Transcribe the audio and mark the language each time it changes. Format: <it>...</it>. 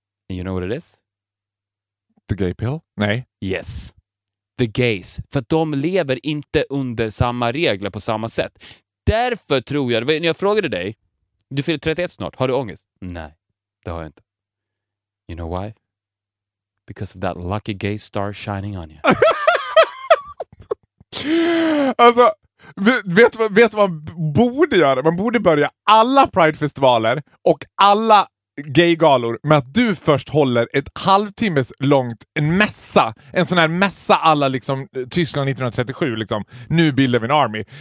<en>And you know what it is? The gay pill?</en> <sv>Nej.</sv> <en>Yes. The gays.</en> <sv>För att de lever inte under samma regler på samma sätt. Därför tror jag, när jag frågade dig, du fyller 31 snart, har du ångest? Nej. Det har jag inte.</sv> <en>You know why? Because of that lucky gay star shining on you.</en> <sv>Alltså, vet vad man borde göra? Man borde börja alla Pride-festivaler och alla gay-galor med att du först håller ett halvtimmes långt en mässa. En sån här mässa alla liksom Tyskland 1937 liksom. Nu bildar vi en army.</sv>